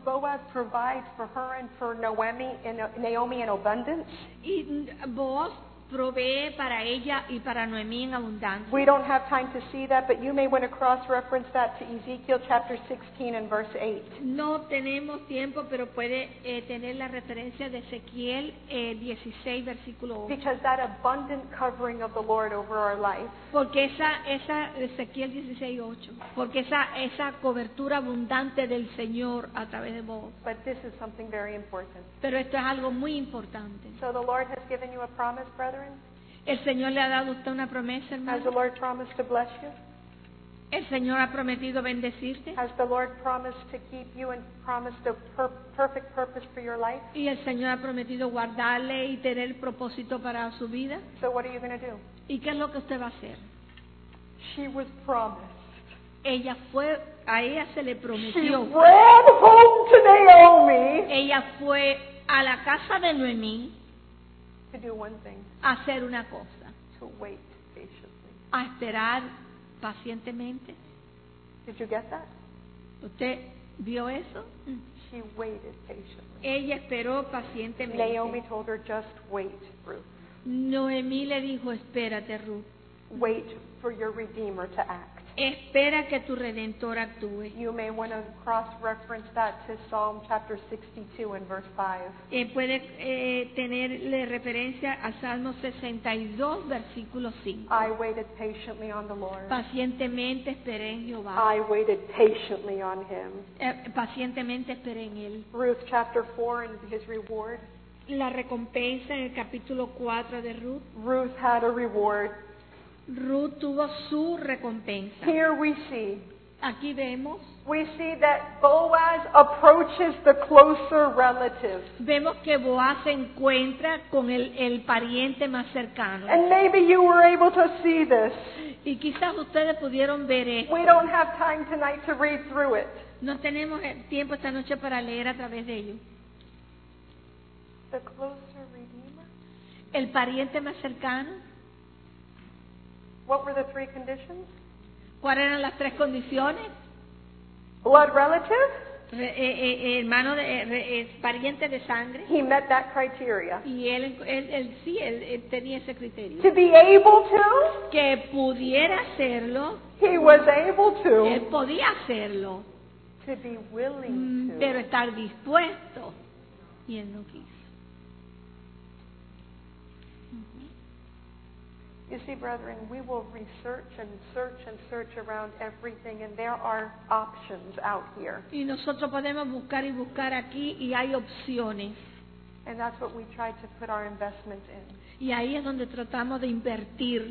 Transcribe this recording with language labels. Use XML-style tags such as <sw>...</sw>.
<en>Boaz provides for her and for Naomi in abundance.</en> <es>Y Boaz provee para ella y para Noemí en abundancia.</es> <en>We don't have time to see that, but you may want to cross-reference that to Ezekiel chapter 16 and verse 8.</en> <es>No tenemos tiempo, pero puede tener la referencia de Ezequiel 16 versículo 8.</es> <en>Because that abundant covering of the Lord over our life.</en> <es>Porque esa Ezequiel 16 8. Porque esa cobertura abundante del Señor a través de vos.</es> <en>But this is something very important.</en> <es>Pero esto es algo muy importante.</es> <en>So the Lord has given you a promise.</en> <es>El Señor le ha dado usted una promesa, hermano.</es> <en>Has the Lord promised to bless you?</en> <es>El Señor ha prometido bendecirte.</es> <en>Has the Lord promised to keep you and promised a perfect purpose for your life?</en> <es>Y el Señor ha prometido guardarle y tener el propósito para su vida.</es> <en>So what are you going to do?</en> <es>¿Y qué es lo que usted va a hacer?</es> <en>She was promised.</en> <es>Ella fue, a ella se le prometió.</es> <en>She ran home to Naomi.</en> <es>Ella fue a la casa de Noemí.</es> <en>To do one thing.</en> <es>A hacer una cosa.</es> <en>To wait patiently.</en> <es>A esperar pacientemente.</es> <en>Did you get that?</en> <es>¿Usted vio eso?</es> <en>She waited patiently.</en> <es>Ella esperó pacientemente.</es> <en>Naomi told her, just wait, Ruth.</en> <es>Noemí le dijo, espérate, Ruth.</es> <en>Wait for your Redeemer to act.</en> <es>Espera que tu Redentor actúe.</es> <en>You may want to cross-reference that to Psalm chapter 62 and verse 5.</en> <es>Puede tenerle referencia a Salmo 62, versículo 5.</es> <en>I waited patiently on the Lord.</en> <es>Pacientemente esperé en Jehová.</es> <en>I waited patiently on Him.</en> <es>Pacientemente esperé en Él.</es> <en>Ruth chapter 4 and His reward.</en> <es>La recompensa en el capítulo 4 de Ruth.</es> <en>Ruth had a reward.</en> <es>Ruth tuvo su recompensa.</es> <en>Here we see.</en> <es>Aquí vemos.</es> <en>We see that Boaz approaches the closer relative.</en> <es>Vemos que Boaz se encuentra con el pariente más cercano.</es> <en>And maybe you were able to see this.</en> <es>Y quizás ustedes pudieron ver esto.</es> <en>We don't have time tonight to read through it.</en> <es>No tenemos tiempo esta noche para leer a través de ello.</es> <en>The closer Redeemer.</en> <es>El pariente más cercano.</es> <en>What were the three conditions?</en> <es>¿Cuáles eran las tres condiciones?</es> <en>Blood relative.</en> <es>Hermano de, pariente de sangre.</es> <en>He met that criteria.</en> <es>Y él tenía ese criterio.</es> <en>To be able to.</en> <es>Que pudiera hacerlo.</es> <en>He was able to.</en> <es>Él podía hacerlo.</es> <en>To be willing to.</en> <es>Pero estar dispuesto. Y él no quiso.</es> <en>You see, brethren, we will research and search and search around everything, and there are options out here.</en> <es>Y nosotros podemos buscar y buscar aquí, y hay opciones.</es> <en>And that's what we try to put our investment in.</en> <es>Y ahí es donde tratamos de invertir.</es>